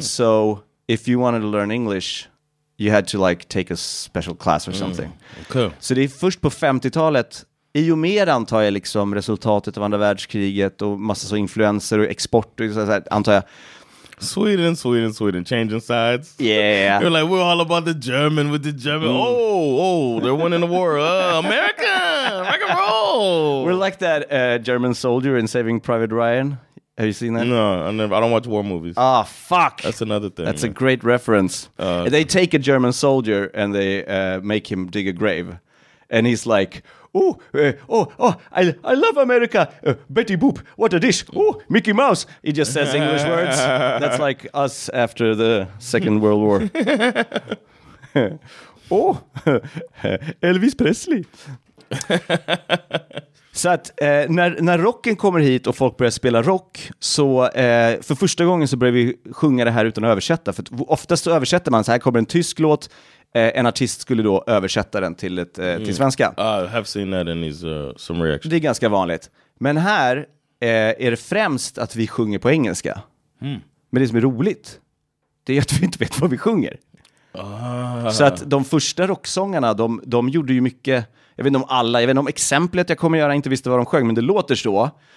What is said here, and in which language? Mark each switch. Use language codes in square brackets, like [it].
[en] So if you wanted to learn English, you had to like take a special class or something. Okay. [sv] Så det är först på 50-talet, i och med antar jag liksom resultatet av andra världskriget och massa så influenser och export och så här, antar jag. [en] Sweden, changing sides. Yeah. You're like, we're all about the German with the German. Mm. Oh, they're winning the war. America, rock and roll. We're like that German soldier in Saving Private Ryan. Have you seen that? No, I don't watch war movies. Ah, oh, fuck. That's another thing. That's a great reference. They take a German soldier and they make him dig a grave. And he's like, I love America. Betty Boop, what a dish. Oh, Mickey Mouse. He just says English words. That's like us after the Second World War. Oh, Elvis Presley. [sv] Så att när rocken kommer hit och folk börjar spela rock, så för första gången så börjar vi sjunga det här utan att översätta. För att oftast så översätter man, så här kommer en tysk låt, en artist skulle då översätta den till till svenska. [en] I have seen that in his some reaction. [sv] Det är ganska vanligt. Men här är det främst att vi sjunger på engelska. Mm. Men det som är roligt, det är att vi inte vet vad vi sjunger. Så att de första rocksångarna, de gjorde ju mycket... Jag vet inte om alla, jag vet inte om exemplet jag kommer göra inte visste vad de sjöng, men det låter så.